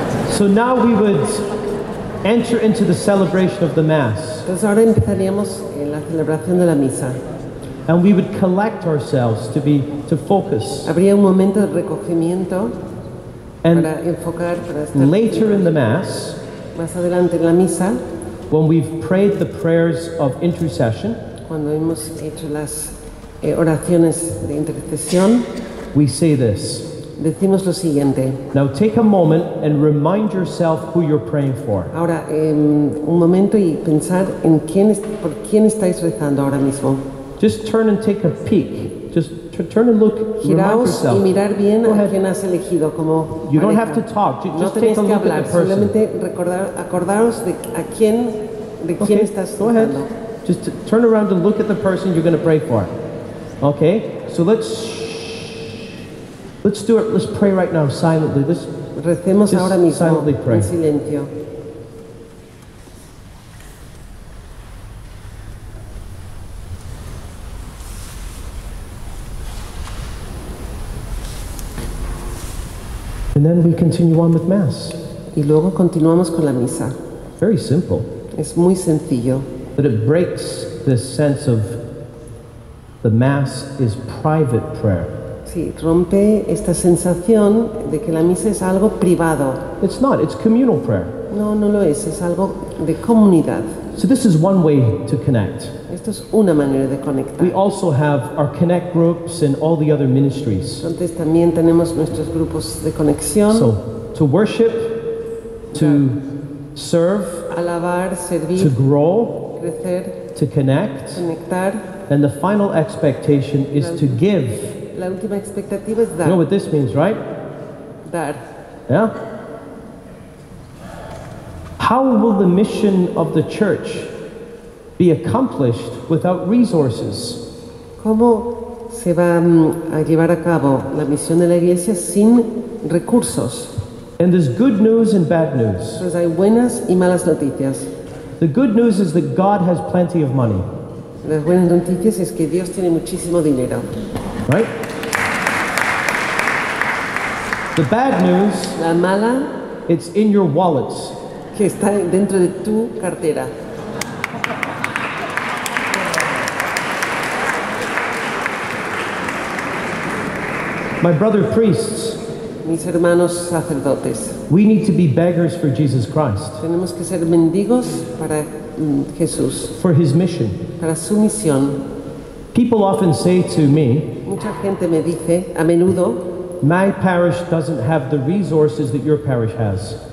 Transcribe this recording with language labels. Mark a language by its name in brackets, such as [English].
[English] So now we would enter into the celebration of the Mass. [Spanish] Entonces ahora empezaríamos en la celebración de la misa. [English] And we would collect ourselves to focus. [Spanish] Habría un momento de recogimiento [English] and [Spanish] para enfocar, para estar [English] later [Spanish] aquí. [English] In the Mass, [Spanish] más adelante en la misa, [English] when we've prayed the prayers of intercession, [Spanish] cuando hemos hecho las oraciones de intercesión, [English] we say this. [Spanish] Decimos lo siguiente. [English] Now take a moment and remind yourself who you're praying for. [Spanish] Ahora, un momento y pensar por quién estáis rezando ahora mismo. [English] Just turn and take a peek. Just turn and look, [Spanish] giraos [English] remind yourself. [Spanish] Y mirar bien a quien has elegido como pareja. [English] You don't have to talk. Just [Spanish] no tenéis que hablar, [English] the person. [Spanish] Simplemente acordaros de a quién, de [English] okay. [Spanish] quién estás [English] go [Spanish] tratando. [English] Ahead. Just turn around and look at the person you're going to pray for. Okay? So let's do it. Let's pray right now silently. Let's [Spanish] recemos [English] just [Spanish] ahora mismo [English] silently pray. [Spanish] En silencio. [English] And then we continue on with Mass. [Spanish] Y luego continuamos con la misa. [English] Very simple. [Spanish] Es muy sencillo. [English] But it breaks this sense of the Mass is private prayer. [Spanish] Sí, rompe esta sensación de que la misa es algo privado. [English] It's not, it's communal prayer. [Spanish] No, no lo es algo de comunidad. [English] So this is one way to connect. [Spanish] Esto es una manera de conectar. [English] We also have our connect groups and all the other ministries. [Spanish] Entonces también tenemos nuestros grupos de conexión. [English] So, to worship, to serve, [Spanish] alabar, servir, [English] to grow, [Spanish] crecer, [English] to connect, [Spanish] conectar, [English] and the final expectation is to give. [Spanish] La última expectativa es dar. [English] You know what this means, right? [Spanish] Dar. [English] Yeah? How will the mission of the church be accomplished without resources? [Spanish] ¿Cómo se va a llevar a cabo la misión de la iglesia sin recursos? [English] And there's good news and bad news. [Spanish] Pues hay buenas y malas noticias. [English] The good news is that God has plenty of money. [Spanish] Las buenas noticias es que Dios tiene muchísimo dinero. [English] Right? The bad news, [Spanish] la mala, [English] it's in your wallets. [Spanish] Que está dentro de tu cartera. [English] My brother priests, [Spanish] mis hermanos sacerdotes, [English] we need to be beggars for Jesus Christ. [Spanish] Tenemos que ser mendigos para Jesús. [English] For his mission. [Spanish] Para su misión. [English] People often say to me, [Spanish] mucha gente me dice, a menudo, [English] my parish doesn't have the resources that your parish has.